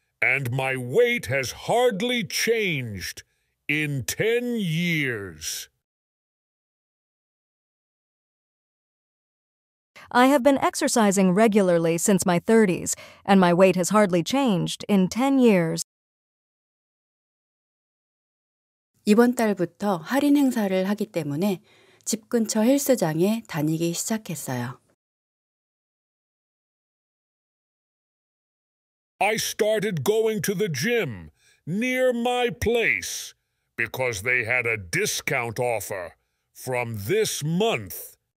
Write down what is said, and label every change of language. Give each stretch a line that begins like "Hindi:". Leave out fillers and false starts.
English: And my weight has hardly changed in 10 years. I have been exercising regularly since my 30s, and my weight has hardly changed in 10 years.
Korean: 이번 달부터 할인 행사를 하기 때문에 집 근처 헬스장에 다니기 시작했어요.
English: I started going to the gym near my place because they had a discount offer from this month.